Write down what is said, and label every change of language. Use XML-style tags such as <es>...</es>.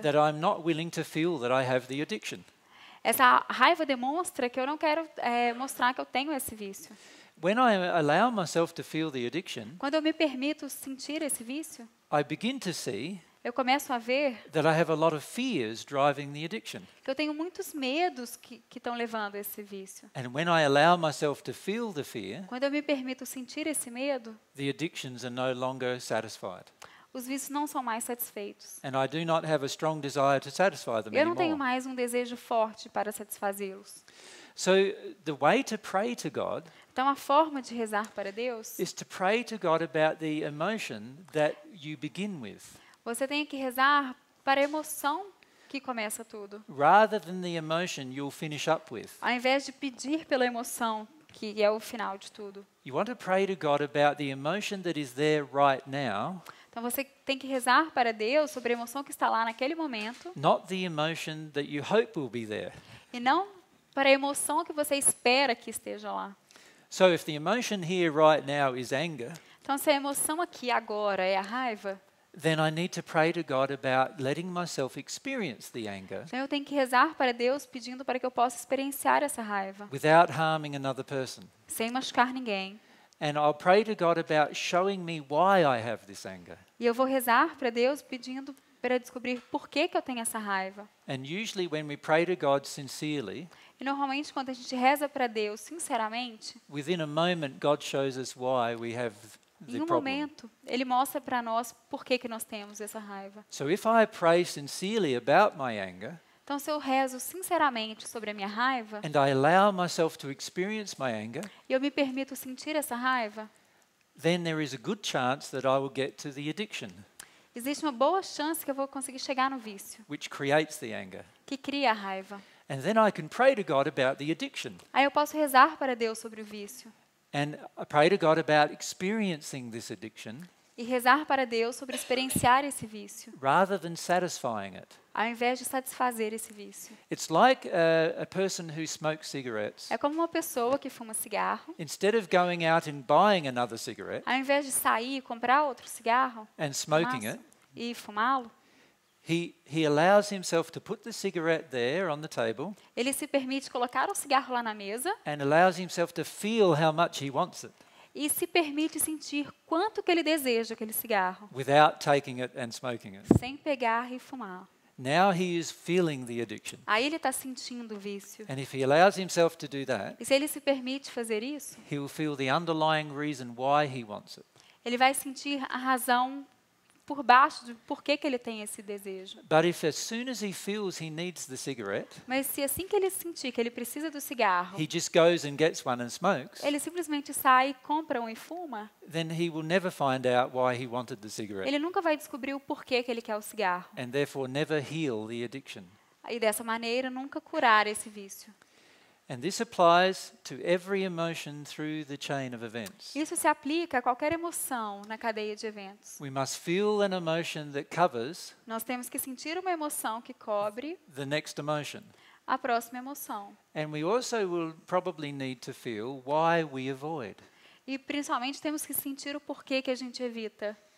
<en>that I'm not willing to feel that I have the addiction.</en> <pt>Essa raiva demonstra que eu não quero mostrar que eu tenho esse vício.</pt> <en>When I allow myself to feel the addiction,</en> <pt>quando eu me permito sentir esse vício,</pt> <en>I begin to see,</en> <pt>eu começo a ver,</pt> <en>that I have a lot of fears driving the addiction.</en> <pt>Que eu tenho muitos medos que estão levando esse vício.</pt> <en>And when I allow myself to feel the fear,</en> <pt>quando eu me permito sentir esse medo,</pt> <en>the addictions are no longer satisfied.</en> <pt>Os vícios não são mais satisfeitos.</pt> <en>And I do not have a strong desire to satisfy them anymore.</en> <pt>Eu não tenho mais um desejo forte para satisfazê-los.</pt> <en>So the way to pray to God,</en> <pt>então a forma de rezar para Deus,</pt> <en>is to pray to God about the emotion that you begin with.</en> <pt>Você tem que rezar para a emoção que começa tudo.</pt> <en>Rather than the emotion you'll finish up with.</en> <pt>Ao invés de pedir pela emoção que é o final de tudo.</pt> <en>You want to pray to God about the emotion that is there right now.</en> <pt>Então você tem que rezar para Deus sobre a emoção que está lá naquele momento.</pt> <en>Not the emotion that you hope will be there.</en> <pt>E não para a emoção que você espera que esteja lá.</pt> <en>So if the emotion here right now is anger.</en> <pt>Então se a emoção aqui agora é a raiva,</pt> <en>then I need to pray to God about letting myself experience the anger.</en> <pt>Então eu tenho que rezar para Deus pedindo para que eu possa experienciar essa raiva.</pt> <en>Without harming another person.</en> <pt>Sem machucar ninguém.</pt> <en>And I'll pray to God about showing me why I have this anger.</en> <pt>E eu vou rezar para Deus pedindo para descobrir por que que eu tenho essa raiva.</pt> <en>And usually when we pray to God sincerely,</en> <pt>e normalmente quando a gente reza para Deus sinceramente,</pt> <en>within a moment God shows us why we have.</en> <pt>Em um momento, ele mostra para nós por que nós temos essa raiva.</pt> <en>So if I pray sincerely about my anger,</en> <pt>então se eu rezo sinceramente sobre a minha raiva,</pt> <en>and I allow myself to experience my anger,</en> <pt>e eu me permito sentir essa raiva,</pt> <en>then there is a good chance that I will get to the addiction.</en> <pt>Existe uma boa chance que eu vou conseguir chegar no vício,</pt> <en>which creates the anger,</en> <pt>que cria a raiva.</pt> <en>And then I can pray to God about the addiction.</en> <pt>Aí eu posso rezar para Deus sobre o vício.</pt> <en>And I pray to God about experiencing this addiction.</en> <pt>e rezar para Deus sobre experienciar esse vício.</pt> <en>Rather than satisfying it.</en> <pt>Ao invés de satisfazer esse vício.</pt> <en>It's like a person who smokes cigarettes.</en> <pt>É como uma pessoa que fuma cigarro.</pt> <en>Instead of going out and buying another cigarette.</en> <pt>Ao invés de sair e comprar outro cigarro.</pt> <en>And smoking it.</en> <pt>E fumá-lo.</pt> <en>He allows himself to put the cigarette there on the table.</en> <pt>Ele se permite colocar o cigarro lá na mesa.</pt> <en>And allows himself to feel how much he wants it.</en> <pt>E se permite sentir quanto que ele deseja aquele cigarro.</pt> <en>Without taking it and smoking it.</en> <pt>Sem pegar e fumar.</pt> <en>Now he is feeling the addiction.</en> <pt>Aí ele está sentindo o vício.</pt> <en>And if he allows himself to do that.</en> <pt>E se ele se permite fazer isso?</pt> <en>He will feel the underlying reason why he wants it.</en> <pt>Ele vai sentir a razão por baixo de por que que ele tem esse desejo.</pt> <en>But if as soon as he feels he needs the cigarette.</en> <pt>Mas se assim que ele sentir que ele precisa do cigarro.</pt> <en>He just goes and gets one and smokes.</en> <pt>Ele simplesmente sai, compra um e fuma.</pt> <en>Then he will never find out why he wanted the cigarette.</en> <pt>Ele nunca vai descobrir o porquê que ele quer o cigarro.</pt> <en>And therefore never heal the addiction.</en> <pt>E dessa maneira nunca curar esse vício.</pt> <en>And this applies to every emotion through the chain of events.</en> <pt>Isso se aplica a qualquer emoção na cadeia de eventos.</pt> <en>We must feel an emotion that covers.</en> <pt>Nós temos que sentir uma emoção que cobre.</pt> <en>The next emotion.</en> <pt>A próxima emoção.</pt> <en>And we also will probably need to feel why we avoid.</en> <pt>E principalmente temos que sentir o porquê que a gente evita.</pt>